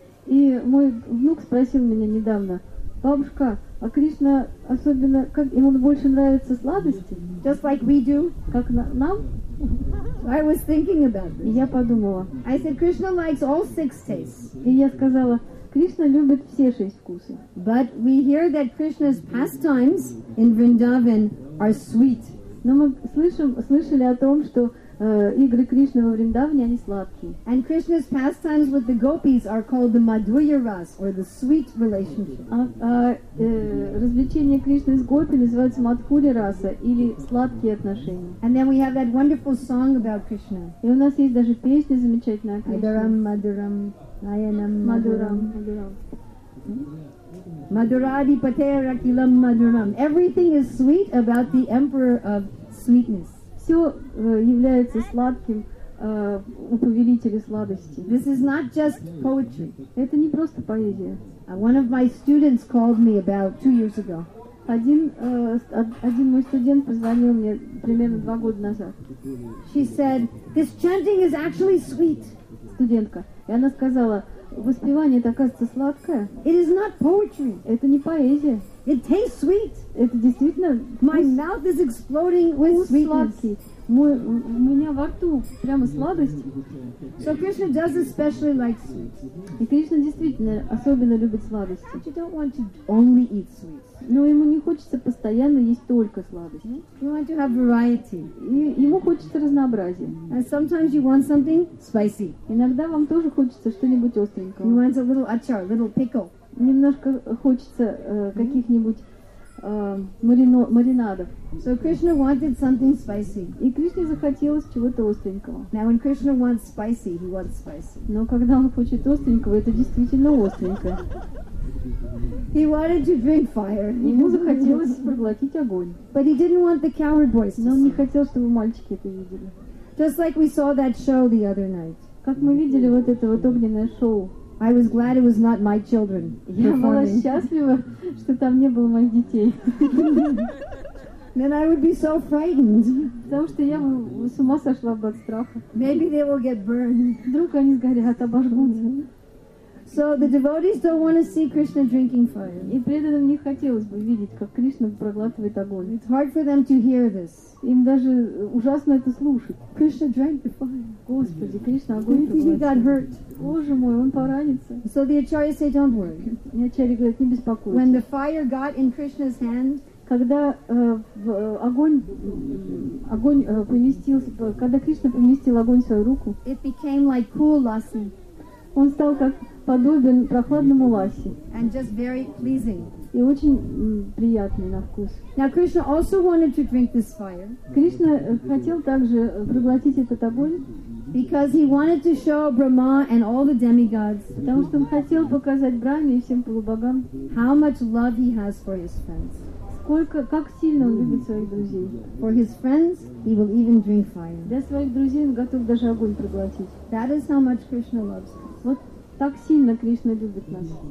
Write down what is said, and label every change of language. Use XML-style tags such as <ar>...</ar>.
<ru>И мой внук спросил меня недавно, бабушка, а Кришна особенно, как ему больше нравятся сладости?</ru> <en>Just like we do.</en> <ru>Как нам?</ru> <en>I was thinking about this.</en> <ru>И я подумала.</ru> <en>I said, Krishna likes all six tastes.</en> <ru>И я сказала, Кришна любит все шесть вкусов.</ru> <en>But we hear that Krishna's pastimes in Vrindavan are sweet.</en> <ru>Но мы слышали о том, что игры Кришны во Вриндаване, они сладкие.</ru> <en>And Krishna's pastimes with the gopis are called the Madhurya Ras, or the sweet relationship.</en> <ru>Развлечения Кришны с гопи называются Мадхурья Раса, или сладкие отношения.</ru> <en>And then we have that wonderful song about Krishna.</en> <ru>И у нас есть даже песня замечательная о Кришне.</ru> <sa>Madhuram, Madhuram, Nayanam, Madhuram. Madhuram. Madhuradi Patera Kilam Madhuram.</sa> <en>Everything is sweet about the emperor of sweetness.</en> <ru>Все является сладким у повелителя сладости.</ru> <en>This is not just poetry.</en> <ru>Это не просто поэзия.</ru> <en>One of my students called me about 2 years ago.</en> <ru>Один мой студент позвонил мне примерно 2 года назад.</ru> <en>She said, this chanting is actually sweet.</en> <ru>Студентка. И она сказала, воспевание это оказывается сладкое.</ru> <en>It is not poetry.</en> <ru>Это не поэзия.</ru> <en>It tastes sweet.</en> <ru>Это действительно.</ru> <en>My mouth is exploding with sweetness.</en> <ru>Сладкий. У меня во рту прямо сладость.</ru> <en>So Krishna does especially like sweets.</en> <ru>И Кришна действительно особенно любит сладости.</ru> <en>But you don't want to only eat sweets.</en> <ru>Но ему не хочется постоянно есть только сладости.</ru> <en>You want to have variety.</en> <ru>И ему хочется разнообразия.</ru> <en>And sometimes you want something spicy.</en> <ru>Иногда вам тоже хочется что-нибудь остренького.</ru> <en>You want a little achar, little pickle.</en> <ru>Немножко хочется каких-нибудь маринадов.</ru> <en>So Krishna wanted something spicy.</en> <ru>И Кришне захотелось чего-то остренького.</ru> <en>Now when Krishna wants spicy, he wants spicy.</en> <ru>Но когда он хочет остренького, это действительно остренькое.</ru> <en>He wanted to drink fire.</en> <ru>Ему захотелось проглотить огонь.</ru> <en>But he didn't want the coward boys.</en> <ru>Но он не хотел, чтобы мальчики это видели.</ru> <en>Just like we saw that show the other night.</en> <ru>Как мы видели вот это вот огненное шоу.</ru> <en>I was glad it was not my children.</en> <ru>Я была счастлива, что там не было моих детей.</ru> <en>Then I would be so frightened.</en> <ru>Потому что я бы с ума сошла бы от страха.</ru> <en>Maybe they will get burned.</en> <ru>Вдруг они сгорят, обожгутся.</ru> <en>So the devotees don't want to see Krishna drinking fire.</en> <ru>И преданным не хотелось бы видеть, как Кришна проглатывает огонь.</ru> <en>It's hard for them to hear this.</en> <ru>Им даже ужасно это слушать.</ru> <en>Krishna drank the fire.</en> <ru>Господи, Кришна огонь проглатил.</ru> <en>He got hurt.</en> <ru>Боже мой, он поранится.</ru> <en>So the acharyas say, don't worry.</en> <ru>И ачарьи говорят, не беспокойтесь.</ru> <en>When the fire got in Krishna's hand,</en> <ru>когда когда Кришна поместил огонь в свою руку,</ru> <en>it became like cool lassi.</en> <ru>Он стал как подобен прохладному ласи.</ru> <en>And just very pleasing.</en> <ru>И очень приятный на вкус.</ru> <en>Now Krishna also wanted to drink this fire.</en> <ru>Кришна хотел также проглотить этот огонь.</ru> <en>Because he wanted to show Brahma and all the demigods,</en> <ru>потому что он хотел показать Брахме и всем полубогам,</ru> <en>how much love he has for his friends.</en> <ru>Сколько, как сильно он любит своих друзей.</ru> <en>For his friends, he will even drink fire.</en> <ru>Для своих друзей он готов даже огонь проглотить.</ru> <en>That is how much Krishna loves.</en> <ru>Вот так сильно Кришна любит нас.</ru>